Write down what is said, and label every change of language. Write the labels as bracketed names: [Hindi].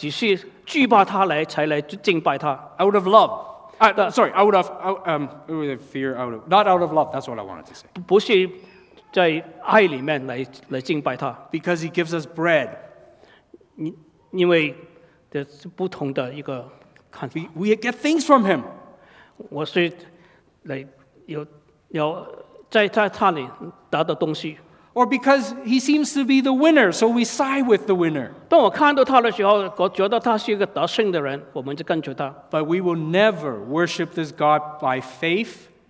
[Chinese] 如果神是很有能力的来到我们面前的话呢，我们就继续惧怕他来，才来敬拜他。 [English] Out of love. Out of fear, not out of love, that's what I wanted to say. [Chinese] 不是在爱里面来敬拜他。 [English] Because he gives us bread. [Chinese] 因为这是不同的一个看法。 [English] We get things from him. [Chinese] 我是来有在他里得的东西。 [English] Or because he seems to be the winner, so we side with the winner. [Chinese] 当我看到他的时候，我觉得他是一个得胜的人，我们就跟着他。 [English] But we will never worship this God by faith.